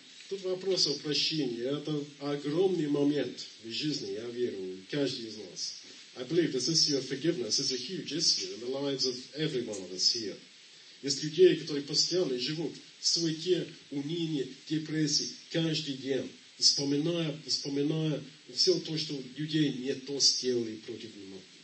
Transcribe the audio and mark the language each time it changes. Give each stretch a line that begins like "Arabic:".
Russian: Тут вопрос о прощении. Это огромный момент в жизни, я верю, каждый из нас.
English: I believe this issue of forgiveness is a huge issue in the lives of every one of us here.
Russian: Есть людей, которые постоянно живут в суете, унынии, депрессии каждый день, вспоминая все то, что людей не то сделали против меня.